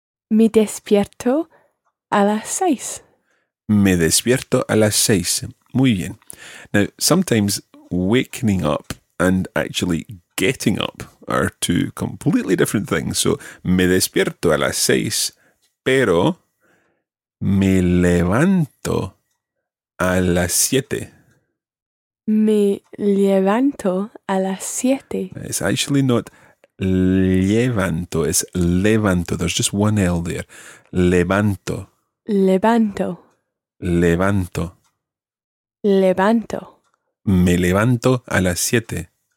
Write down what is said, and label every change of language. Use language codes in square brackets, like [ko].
[es] Me despierto a las 6. Me despierto a las 6. Muy bien. [en] Now, sometimes waking up and actually getting up are two completely different things. [es] So, me despierto a las 6, pero me levanto a las 7. Me levanto a las 7. [en] It's actually not levanto, it's levanto. There's just one L there. Levanto. [es] Levanto. Levanto. Levanto. Me levanto a las siete.